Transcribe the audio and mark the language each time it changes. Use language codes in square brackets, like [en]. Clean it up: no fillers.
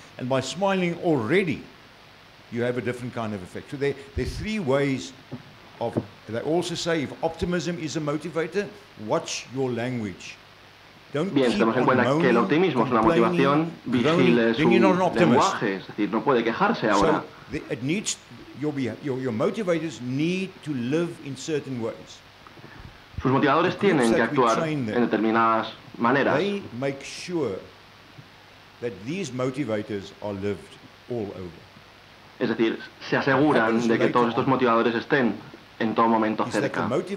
[en] And by smiling already, you have a different kind of effect. So there are three ways. They also say if optimism is a motivator, watch your language. Don't [es] bien, tenemos en cuenta que el optimismo es una motivación, vigile su lenguaje, es decir, no puede quejarse ahora. [en] Your motivators need to live in certain ways. [es] Sus motivadores tienen que actuar en determinadas maneras. [en] They make sure that these motivators are lived all over. [es] Es decir, se aseguran de que todos estos motivadores estén en todo momento cerca.